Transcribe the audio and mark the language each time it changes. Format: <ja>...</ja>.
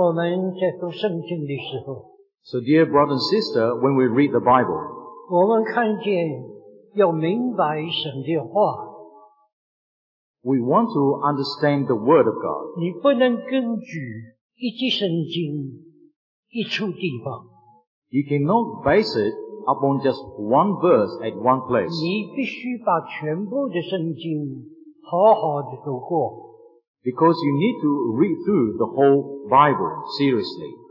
<zh>弟兄姊妹，当我们在读圣经的时候，</zh> <en>So dear brother and sister, when we read the Bible,</en> <zh>我们看见要明白神的话，</zh> <en>We want to understand the Word of God.</en> <zh>你不能根据一节圣经一处地方，</zh> <en>You cannot base it upon just one verse at one place.</en> <zh>你必须把全部的圣经好好的读过。</zh> <en>Because you need to read through the whole Bible seriously.</en>